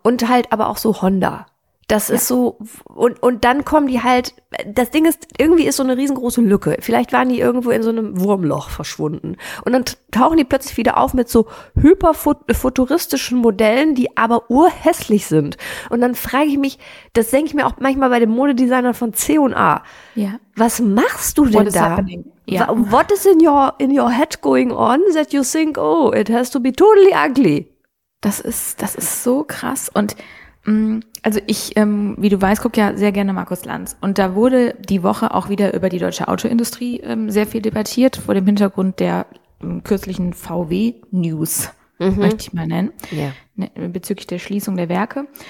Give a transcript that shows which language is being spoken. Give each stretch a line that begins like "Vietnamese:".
German: Und halt aber auch so Honda. Das ist so, und dann kommen die halt, das Ding ist, irgendwie ist so eine riesengroße Lücke. Vielleicht waren die irgendwo in so einem Wurmloch verschwunden. Und dann tauchen die plötzlich wieder auf mit so hyperfuturistischen Modellen, die aber urhässlich sind. Und dann frage ich mich, das denke ich mir auch manchmal bei den Modedesignern von C&A. Ja. Was machst du denn da? Ja.
English: What is in your head going on that you think, oh, it has to be totally ugly?
German: Das ist so krass. Und also ich, wie du weißt, gucke ja sehr gerne Markus Lanz. Und da wurde die Woche auch wieder über die deutsche Autoindustrie sehr viel debattiert, vor dem Hintergrund der kürzlichen VW-News, möchte ich mal nennen, bezüglich der Schließung der Werke.